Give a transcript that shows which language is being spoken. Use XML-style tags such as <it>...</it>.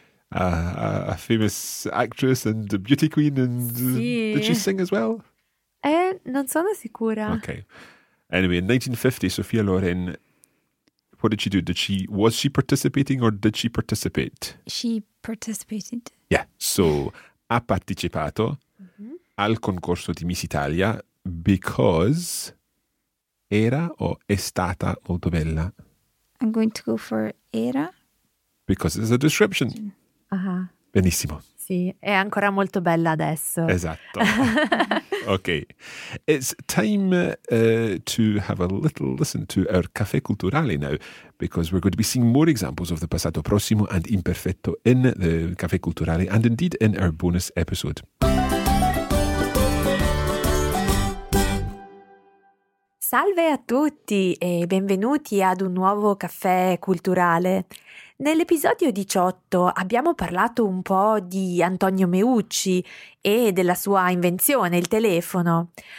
<en>A famous actress and a beauty queen and...</en> <it>Sì.</it> <en>Did she sing as well?</en> <it>Non sono sicura.</it> <en>Okay. Anyway, in 1950, Sophia Loren, what did she do? Was she participating or did she participate? She participated. Yeah, so</en> <it>ha partecipato mm-hmm. al concorso di Miss Italia</it> <en>because...</en> <it>Era o è stata molto bella?</it> <en>I'm going to go for</en> <it>era.</it> <en>Because it's a description. Aha.</en> <it>Benissimo. Sì, è ancora molto bella adesso. Esatto. Okay.</it> <en>It's time to have a little listen to our Caffè Culturale now, because we're going to be seeing more examples of the passato prossimo and imperfetto in the Caffè Culturale and indeed in our bonus episode.</en> <it>Salve a tutti e benvenuti ad un nuovo caffè culturale. Nell'episodio 18 abbiamo parlato un po' di Antonio Meucci e della sua invenzione, il telefono.</it>